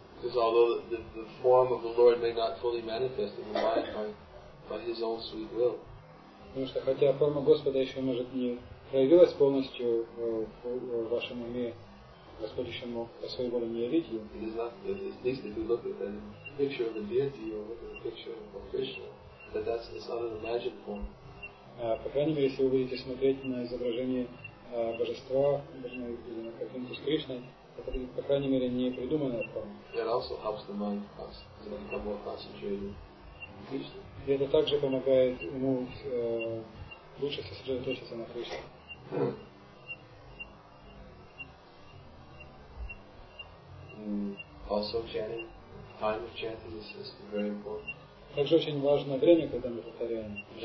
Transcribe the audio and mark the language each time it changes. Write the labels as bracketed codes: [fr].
[en] Because although the form of the Lord may not fully manifest in the mind by His own sweet will. [ru] Потому что хотя форма Господа еще может не проявилась полностью в вашем уме, Господь еще мог по своей воле не явить ее. [en] It is not, at least if you look at the picture of the deity or look at the picture of Krishna, that that's not an imagined form. [ru] По крайней мере, если вы будете смотреть на изображение Божества, или на картинку с Кришной, это, по крайней мере, не придуманная форма. [en] It also helps the mind become more concentrated. [ru] И это также помогает ему лучше сосредоточиться на Кришне. [en] Also chanting, time of chanting is very important. [ru] Также очень важно время, когда мы повторяем.